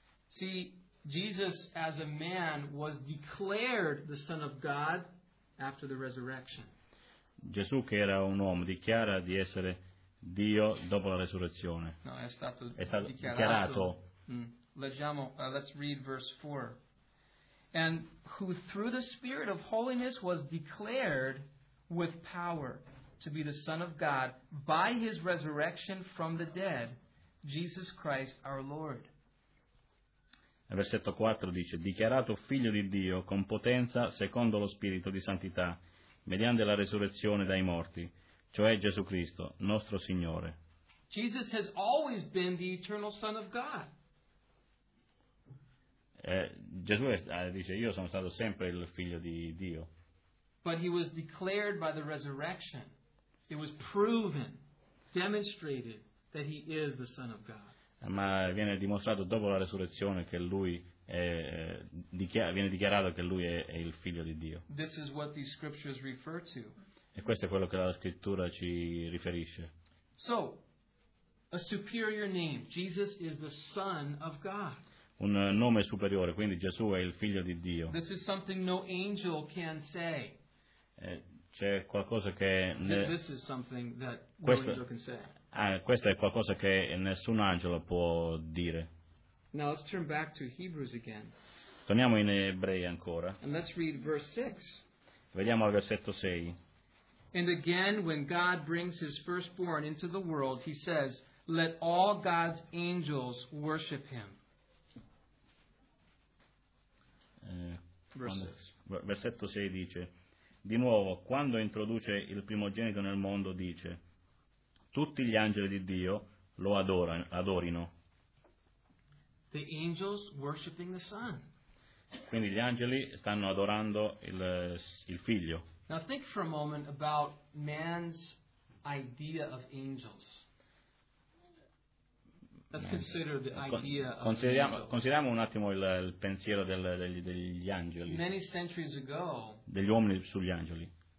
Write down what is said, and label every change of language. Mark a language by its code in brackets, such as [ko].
[en] See, Jesus as a man was declared the Son of God after the resurrection. [it] Gesù che era un uomo dichiara di essere Dio dopo la resurrezione. No, è stato dichiarato. Leggiamo, [en] let's read verse 4. And who through the Spirit of holiness was declared with power to be the Son of God by his resurrection from the dead, Jesus Christ our Lord. [it] Versetto 4 dice, dichiarato figlio di Dio con potenza secondo lo Spirito di santità, mediante la resurrezione dai morti, cioè Gesù Cristo, nostro Signore. [en] Jesus has always been the eternal Son of God. [it] Gesù dice, io sono stato sempre il figlio di Dio. [en] But he was declared by the resurrection. It was proven, demonstrated that he is the Son of God. [it] Ma viene dimostrato dopo la resurrezione che lui è, viene dichiarato che lui è il figlio di Dio. [en] This is what these scriptures refer to. [it] E questo è quello che la scrittura ci riferisce. [en] So, a superior name. Jesus is the Son of God. [it] Un nome superiore, quindi Gesù è il figlio di Dio. [en] This is something no angel can say. [it] C'è qualcosa che [en] this is something that no angel can say. [it] Questo è qualcosa che nessun angelo può dire. [en] Now let's turn back to Hebrews again. [it] Torniamo in Ebrei ancora. [en] And let's read verse 6. [it] Vediamo al versetto 6. [en] And again, when God brings his firstborn into the world, he says, let all God's angels worship him. [it] Versetto 6 dice, Di nuovo, quando introduce il primogenito nel mondo, dice: tutti gli angeli di Dio lo adorino. [en] The angels worshiping the Son. [it] Quindi gli angeli stanno adorando il Figlio. [en] Now think for a moment about man's idea of angels. Let's consider the idea of angels. [it] Consideriamo un attimo il pensiero degli angeli. [en] Many centuries ago. [it] Degli uomini sugli angeli.